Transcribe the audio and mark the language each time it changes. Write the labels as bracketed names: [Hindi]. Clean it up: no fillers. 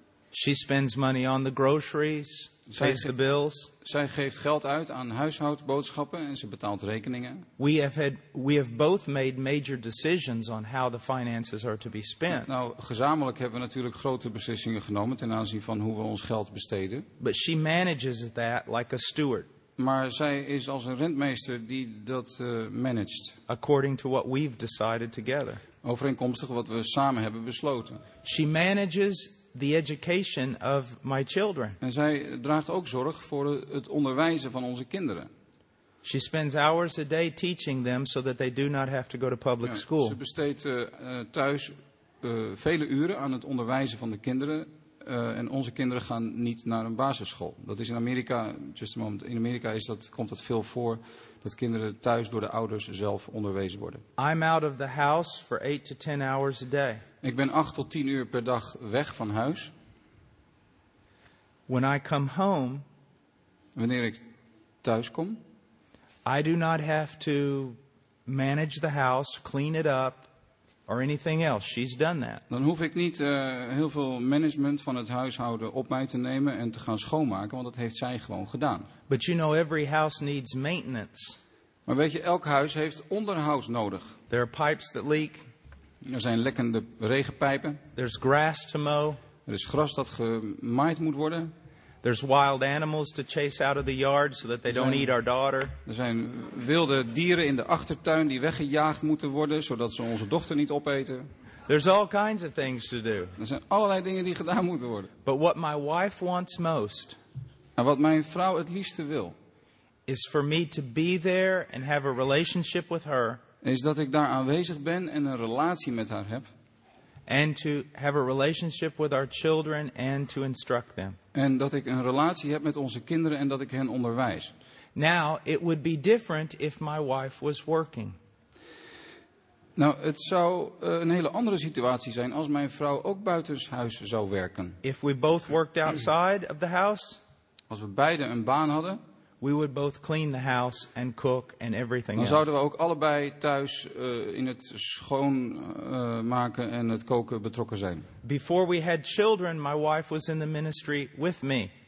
[English] She spends money on the groceries, pays the bills. [Dutch] Zij geeft geld uit aan huishoudboodschappen en ze betaalt rekeningen. [English] We have both made major decisions on how the finances are to be spent. [Dutch] Nou, gezamenlijk hebben we natuurlijk grote beslissingen genomen ten aanzien van hoe we ons geld besteden. [English] But she manages that like a steward. [Dutch] Maar zij is als een rentmeester die dat managed. [English] According to what we've decided together. [Dutch] Overeenkomstig wat we samen hebben besloten. [English] She manages the education of my children. [Dutch] En zij draagt ook zorg voor het onderwijzen van onze kinderen. [English] She spends hours a day teaching them so that they do not have to go to public school. [Dutch] Ze besteedt thuis vele uren aan het onderwijzen van de kinderen. En onze kinderen gaan niet naar een basisschool. Dat is in Amerika, [English] just a moment, [Dutch] in Amerika is dat, komt dat veel voor, dat kinderen thuis door de ouders zelf onderwezen worden. [English] I'm out of the house for 8 to 10 hours a day. [Dutch] Ik ben 8 tot 10 uur per dag weg van huis. [English] When I come home, [Dutch] wanneer ik thuis kom, [English] I do not have to manage the house, clean it up, or anything else. She's done that. [Dutch] Dan hoef ik niet heel veel management van het huishouden op mij te nemen en te gaan schoonmaken, want dat heeft zij gewoon gedaan. [English] But you know, every house needs maintenance. [Dutch] Maar weet je, elk huis heeft onderhoud nodig. [English] There are pipes that leak. [Dutch] Er zijn lekkende regenpijpen. [English] There's grass to mow. [Dutch] Er is gras dat gemaaid moet worden. [English] There's wild animals to chase out of the yard so that they don't eat our daughter. [Dutch] Er zijn wilde dieren in de achtertuin die weggejaagd moeten worden zodat ze onze dochter niet opeten. [English] There's all kinds of things to do. [Dutch] Er zijn allerlei dingen die gedaan moeten worden. [English] But what my wife wants most. [Dutch] En wat mijn vrouw het liefste wil. [English] Is for me to be there and have a relationship with her. [Dutch] Is dat ik daar aanwezig ben en een relatie met haar heb. [English] And to have a relationship with our children and to instruct them. [Dutch] En dat ik een relatie heb met onze kinderen en dat ik hen onderwijs. [English] Now, it would be different if my wife was working. [Dutch] Nou, het zou een hele andere situatie zijn als mijn vrouw ook buitenshuis zou werken. [English] If we both worked outside of the house, [Dutch] als we beide een baan hadden, [English] we would both clean the house and cook and everything [Dutch] dan [English] else. [Dutch] Zouden we ook allebei thuis in het schoonmaken en het koken betrokken zijn. [English] Before we had children, my wife was in the ministry with me.